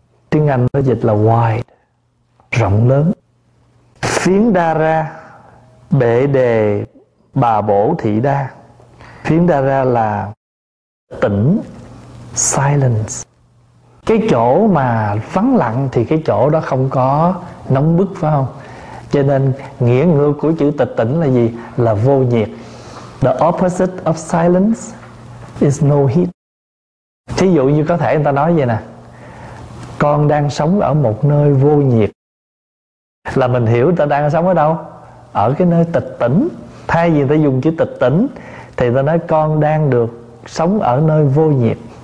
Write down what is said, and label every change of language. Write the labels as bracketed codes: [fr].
[vi] Tiếng Anh nó dịch là wide, rộng lớn. Phiến đa ra, bệ đề bà bổ thị đa. Phiến đa ra là tĩnh, silence. Cái chỗ mà vắng lặng thì cái chỗ đó không có nóng bức phải không? Cho nên nghĩa ngược của chữ tịch tĩnh là gì? Là vô nhiệt. [en] The opposite of silence is no heat. [vi] Thí dụ như có thể người ta nói vậy nè. Con đang sống ở một nơi vô nhiệt. Là mình hiểu ta đang sống ở đâu? Ở cái nơi tịch tỉnh. Thay vì ta dùng chữ tịch tỉnh thì ta nói con đang được sống ở nơi vô nhiệt.